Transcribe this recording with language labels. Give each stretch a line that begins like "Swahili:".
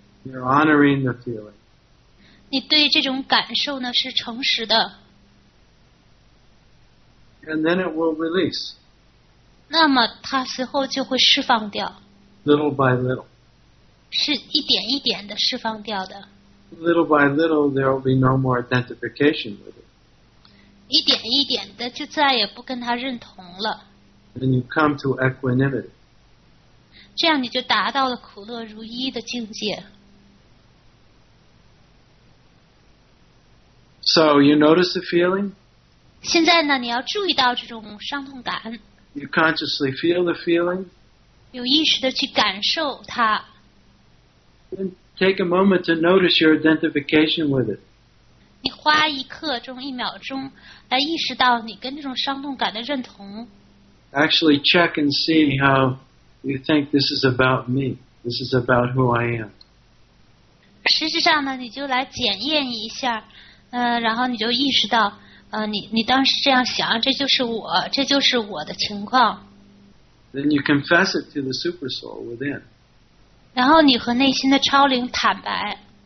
English: You're honoring the feeling.
Chinese: 你对这种感受呢，是诚实的。
English: And then it will release.
Chinese: 那么它随后就会释放掉。
English: Little by little.
Chinese: 是一点一点的释放掉的。
English: Little by little, there will be no more identification with it.
Chinese: 一点一点的就再也不跟它认同了。
English: And you come to equanimity.
Chinese: 这样你就达到了苦乐如一的境界。
English: So you notice the feeling?
Chinese: 现在呢，你要注意到这种伤痛感。
English: You consciously feel the feeling.
Chinese: 有意识的去感受它。
English: Then take a moment to notice your identification with it.
Chinese: 你花一刻钟、一秒钟来意识到你跟这种伤痛感的认同。
English: Actually check and see how you think this is about me. This is about who I am.
Chinese: 实际上呢，你就来检验一下，然后你就意识到你当时这样想，这就是我，这就是我的情况。
English: Then you confess it to the super soul within.
Chinese: 然后你和内心的超灵坦白。